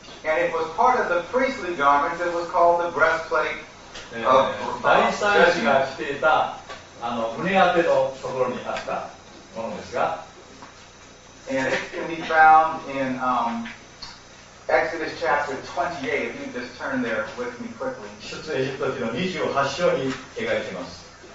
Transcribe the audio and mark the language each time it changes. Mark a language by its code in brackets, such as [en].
[en] And it was part of the priestly garments. It was called the breastplate of the priest. [ja] 大祭司が着ていた胸当てのところにあったものですが。 [en] And it can be found in... Exodus chapter 28, if you just turn there with me quickly. [ja] 出エジプト記の28章に描いています。